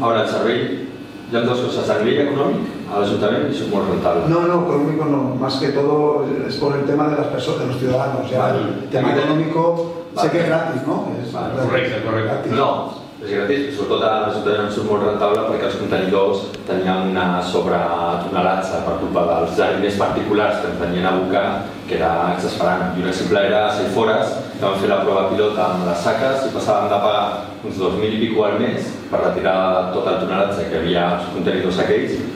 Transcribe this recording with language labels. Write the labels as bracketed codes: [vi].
[ca] Ahora, el servei, hi ha dos coses, el servei econòmic a l'Ajuntament i molt rentable. [es] No, no, econòmic no, más que todo es por el tema de las personas, de los ciudadanos. [ca] El tema econòmic... Sé que és gratis, no? Correcte, correcte. No, és gratis, sobretot a l'Ajuntament surt molt rentable perquè els contenidors tenien una sobretonelatge per culpa dels jardiners particulars que tenien a Boca, que era exasperant. I un exemple era a Cellfores, que vam fer la prova pilota amb les saques i passàvem de pagar uns 2.000 i escaig al mes per retirar tot el tonelatge que hi havia als contenidors aquells,